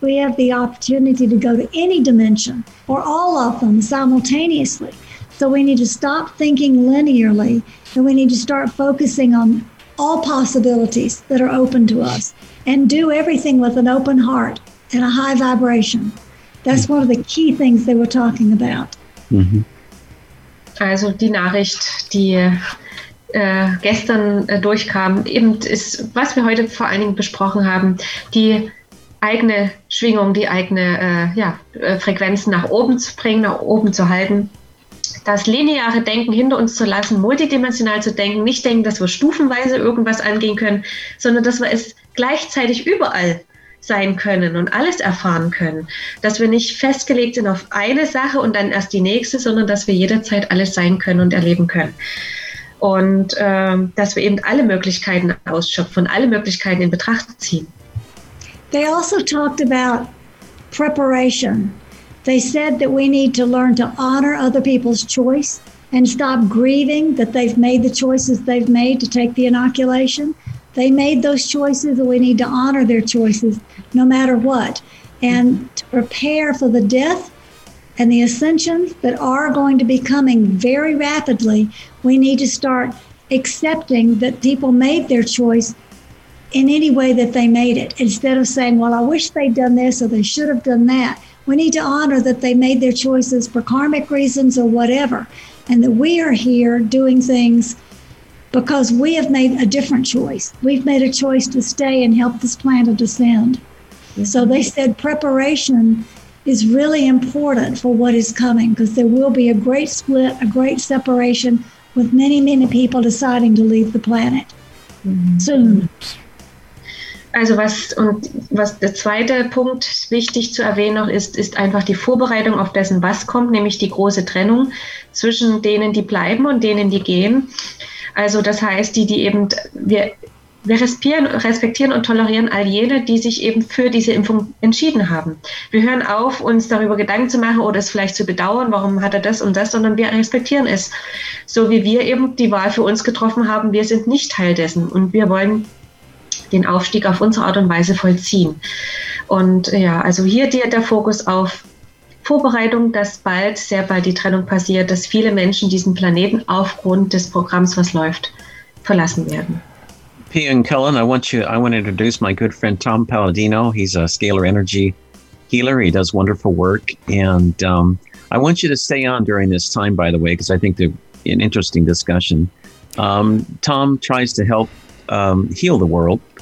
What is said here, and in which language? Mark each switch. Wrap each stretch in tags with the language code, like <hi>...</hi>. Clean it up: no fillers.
<en>We have the opportunity to go to any dimension or all of them simultaneously. So we need to stop thinking linearly, and we need to start focusing on all possibilities that are open to us and do everything with an open heart and a high vibration. That's one of the key things they were talking about. Mm-hmm.</en> <de>Also die Nachricht, die gestern durchkam, eben ist, was wir heute vor allen Dingen besprochen haben, die eigene Schwingung, die eigene Frequenz nach oben zu bringen, nach oben zu halten. Das lineare Denken hinter uns zu lassen, multidimensional zu denken, nicht denken, dass wir stufenweise irgendwas angehen können, sondern dass wir es gleichzeitig überall sein können und alles erfahren können. Dass wir nicht festgelegt sind auf eine Sache und dann erst die nächste, sondern dass wir jederzeit alles sein können und erleben können. Und dass wir eben alle Möglichkeiten ausschöpfen, alle Möglichkeiten in Betracht ziehen.</de> <en>They also talked about preparation. They said that we need to learn to honor other people's choice and stop grieving that they've made the choices they've made to take the inoculation. They made those choices, and we need to honor their choices no matter what. And to prepare for the death and the ascensions that are going to be coming very rapidly, we need to start accepting that people made their choice in any way that they made it. Instead of saying, well, I wish they'd done this or they should have done that, we need to honor that they made their choices for karmic reasons or whatever, and that we are here doing things because we have made a different choice. We've made a choice to stay and help this planet descend. So they said preparation is really important for what is coming, because there will be a great split, a great separation, with many, many people deciding to leave the planet soon.</en> <de>Also was der zweite Punkt wichtig zu erwähnen noch ist, ist einfach die Vorbereitung auf dessen, was kommt, nämlich die große Trennung zwischen denen, die bleiben und denen, die gehen. Also das heißt, die eben, wir respektieren und tolerieren all jene, die sich eben für diese Impfung entschieden haben. Wir hören auf, uns darüber Gedanken zu machen oder es vielleicht zu bedauern, warum hat er das und das, sondern wir respektieren es. So wie wir eben die Wahl für uns getroffen haben, wir sind nicht Teil dessen und wir wollen den Aufstieg auf unsere Art und Weise vollziehen. Und ja, also hier der Fokus auf Vorbereitung, dass bald, sehr bald die Trennung passiert, dass viele Menschen diesen Planeten aufgrund des Programms, was läuft, verlassen werden. P.</de> <en>and Kellen, I want to introduce my good friend Tom Palladino. He's a scalar energy healer. He does wonderful work. And I want you to stay on during this time, by the way, because I think they're an interesting discussion. Tom tries to help heal the world.</en>